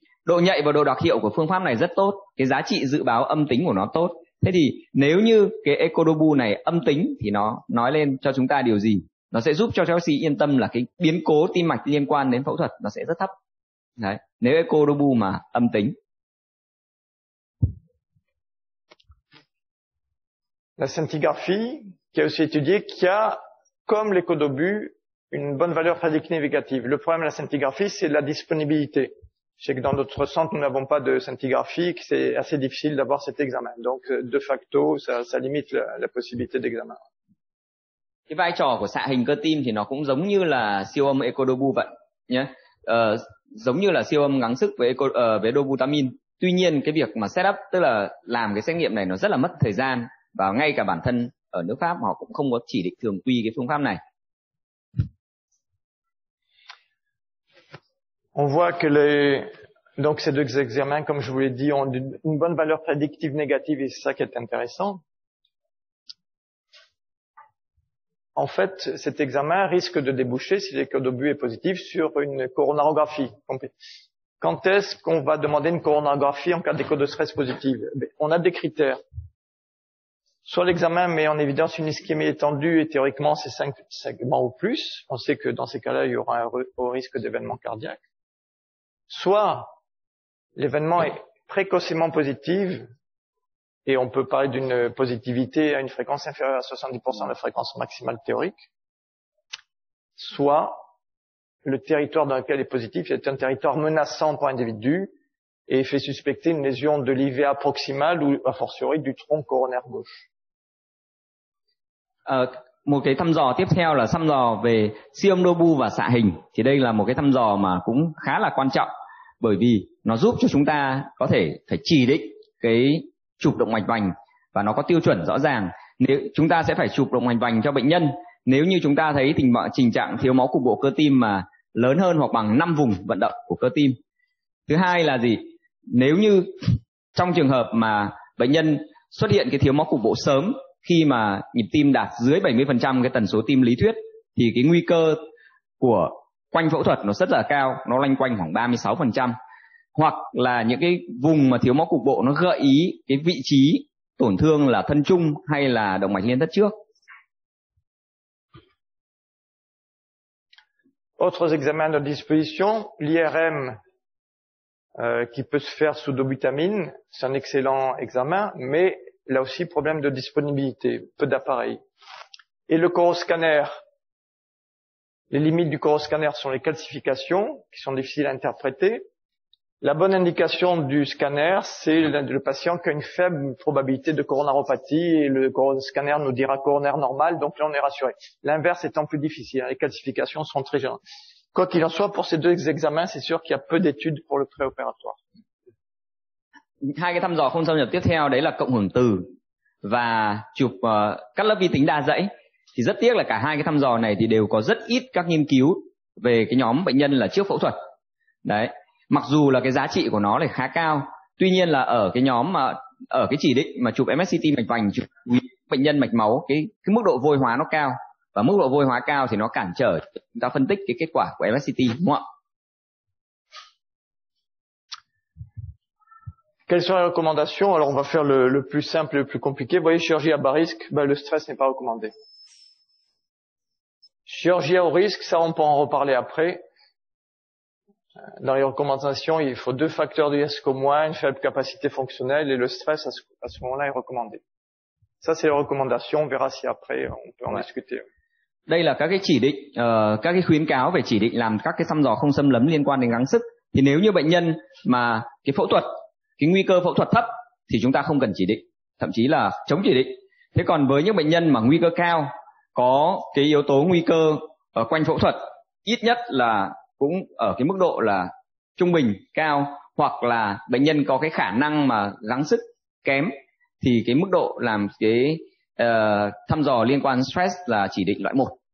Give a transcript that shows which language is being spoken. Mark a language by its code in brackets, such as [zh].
[vi] Độ nhạy và độ đặc hiệu của phương pháp này rất tốt, cái giá trị dự báo âm tính của nó tốt. Thế thì nếu như cái ECODOBU này âm tính thì nó nói lên cho chúng ta điều gì? Nó sẽ giúp cho bác sĩ yên tâm là cái biến cố tim mạch liên quan đến phẫu thuật nó sẽ rất thấp. Đấy, nếu ECODOBU mà âm tính. [fr] La scintigraphie qui a aussi étudié qui a comme l'ECODOBU une bonne valeur prédictive négative. Le problème de la scintigraphie, c'est la disponibilité. Je sais que dans notre centre, nous n'avons pas de scintigraphie, que c'est assez difficile d'avoir cet examen. Donc, de facto, ça limite la possibilité d'examen. [vi] Cái vai trò của xạ hình cơ tim thì nó cũng giống như là siêu âm ECODOBU vậy nhé. Giống như là siêu âm gắng sức với dobutamine. Tuy nhiên, cái việc mà setup, tức là làm cái xét nghiệm này nó rất là mất thời gian, và ngay cả bản thân ở nước Pháp họ cũng không có chỉ định thường quy cái phương pháp này. [fr] On voit que les, donc ces deux examens, comme je vous l'ai dit, ont une bonne valeur prédictive négative et c'est ça qui est intéressant. En fait, cet examen risque de déboucher, si l'écho d'obus est positif, sur une coronarographie. Quand est-ce qu'on va demander une coronarographie en cas d'écho de stress positive? On a des critères. Soit l'examen met en évidence une ischémie étendue et théoriquement c'est 5 segments ou plus. On sait que dans ces cas-là, il y aura un risque d'événement cardiaque. Soit l'événement est précocement positif et on peut parler d'une positivité à une fréquence inférieure à 70% de la fréquence maximale théorique. Soit le territoire dans lequel est positif est un territoire menaçant pour l'individu et fait suspecter une lésion de l'IVA proximale ou a fortiori du tronc coronaire gauche. [vi] Một cái thăm dò tiếp theo là thăm dò về siêu âm dobu và xạ hình. Thì đây là một cái thăm dò mà cũng khá là quan trọng, bởi vì nó giúp cho chúng ta có thể phải chỉ định cái chụp động mạch vành và nó có tiêu chuẩn rõ ràng. Nếu chúng ta sẽ phải chụp động mạch vành cho bệnh nhân nếu như chúng ta thấy tình trạng thiếu máu cục bộ cơ tim mà lớn hơn hoặc bằng 5 vùng vận động của cơ tim. Thứ hai là gì? Nếu như trong trường hợp mà bệnh nhân xuất hiện cái thiếu máu cục bộ sớm khi mà nhịp tim đạt dưới 70% cái tần số tim lý thuyết thì cái nguy cơ của quanh phẫu thuật nó rất là cao, nó loanh quanh khoảng 36%. Hoặc là những cái vùng mà thiếu máu cục bộ nó gợi ý cái vị trí tổn thương là thân trung hay là động mạch liên thất trước. [fr] Autres examens à notre disposition, l'IRM qui peut se faire sous dobutamine, c'est un excellent examen, mais là aussi problème de disponibilité, peu d'appareils. Et le coroscanner, les limites du coroscanner sont les calcifications qui sont difficiles à interpréter. La bonne indication du scanner, c'est le patient qui a une faible probabilité de coronaropathie et le scanner nous dira coronaire normal, donc là on est rassuré. L'inverse étant plus difficile, les classifications sont très gênantes. Quoi qu'il en soit, pour ces deux examens, c'est sûr qu'il y a peu d'études pour le préopératoire. [vi] Hai cái thăm dò không xâm nhập tiếp theo đấy là cộng hưởng từ và chụp cắt lớp vi tính đa dãy. Thì rất tiếc là cả hai cái thăm dò này thì đều có rất ít các nghiên cứu về cái nhóm bệnh nhân là trước phẫu thuật. Đấy. Mặc dù là cái giá trị của nó lại khá cao, tuy nhiên là ở cái nhóm mà ở cái chỉ định mà chụp MSCT mạch vành, chụp bệnh nhân mạch máu, cái mức độ vôi hóa nó cao và mức độ vôi hóa cao thì nó cản trở chúng ta phân tích cái kết quả của MSCT, đúng không ạ? [fr] Quelles sont les recommandations? Alors on va faire le plus simple et le plus compliqué. Vous voyez, chirurgie à bas risque, ben le stress n'est pas recommandé. Chirurgie à haut risque, ça on peut en reparler après. Dans les recommandations, il faut deux facteurs de risque au moins, une faible capacité fonctionnelle et le stress à ce moment-là est recommandé. Ça, c'est les recommandations. On verra si après on peut en discuter. [vi] Đây là các cái chỉ định, các cái khuyến cáo về chỉ định làm các cái thăm dò không xâm lấn liên quan đến gắng sức. Thì nếu như bệnh nhân mà cái phẫu thuật, cái nguy cơ phẫu thuật thấp, thì chúng ta không cần chỉ định, thậm chí là chống chỉ định. Thế còn với những bệnh nhân mà nguy cơ cao, có cái yếu tố nguy cơ quanh phẫu thuật, ít nhất là cũng ở cái mức độ là trung bình cao hoặc là bệnh nhân có cái khả năng mà gắng sức kém thì cái mức độ làm cái thăm dò liên quan stress là chỉ định loại 1.